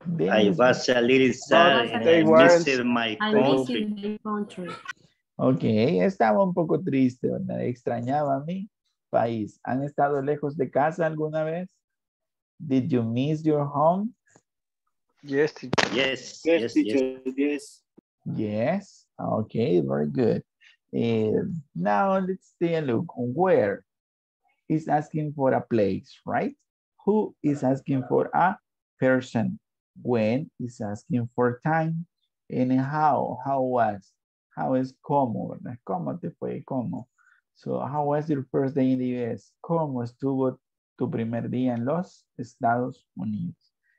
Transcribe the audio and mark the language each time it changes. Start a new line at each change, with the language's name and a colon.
English: I was a little sad and I missed my country.
Spanish: Okay, estaba un poco triste, ¿verdad? Extrañaba a mí país. ¿Han estado lejos de casa alguna vez?
English: Did you miss your home? Yes. Yes. Yes. Yes. Yes. Yes. Okay, very good. Now let's take a look. Where is asking for a place, right? Who is asking for a person? When is asking for time? And how? How was? How is
Spanish: como? ¿Cómo te fue? ¿Cómo?
English: So how was your first day in the US?
Spanish: ¿Cómo estuvo tu primer día en los Estados Unidos?